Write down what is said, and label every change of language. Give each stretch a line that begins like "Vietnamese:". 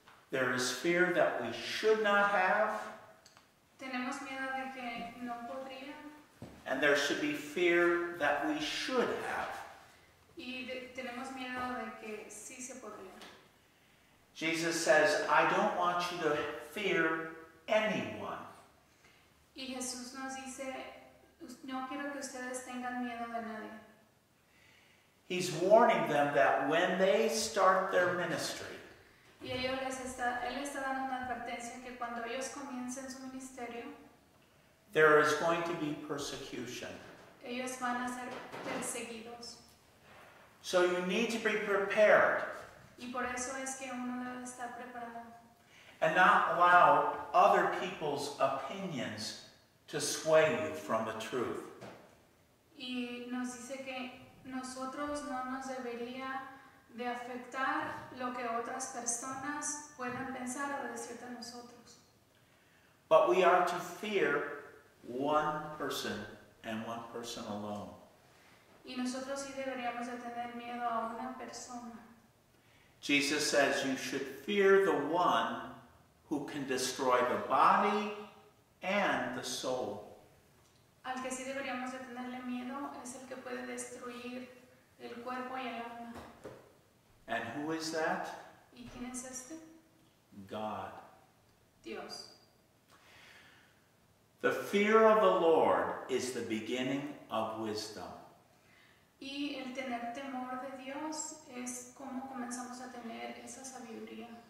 English: There is fear that we should not have.
Spanish: Tenemos miedo de que no podría.
English: And there should be fear that we should have.
Spanish: Y tenemos miedo de que sí se podría.
English: Jesus says, I don't want you to fear anyone.
Spanish: Y Jesús nos dice, no quiero que ustedes tengan miedo de nadie.
English: He's warning them that when they start their ministry,
Spanish: y él está dando una advertencia que cuando ellos comiencen su ministerio,
English: there is going to be persecution.
Spanish: Ellos van a ser perseguidos.
English: So you need to be prepared.
Spanish: Y por eso es que uno debe estar preparado.
English: And not allow other people's opinions to sway you from the truth.
Spanish: Y nos dice que nosotros no nos debería de afectar lo que otras personas puedan pensar o decir de nosotros.
English: But we are to fear one person and one person alone.
Spanish: Y nosotros sí deberíamos de tener miedo a una persona.
English: Jesus says you should fear the one who can destroy the body and the soul.
Spanish: Al que sí deberíamos de tenerle miedo es el que puede destruir el cuerpo y el alma.
English: And who is that?
Spanish: ¿Y quién es este?
English: God.
Spanish: Dios.
English: The fear of the Lord is the beginning of wisdom.
Spanish: Y el tener temor de Dios es como comenzamos a tener esa sabiduría.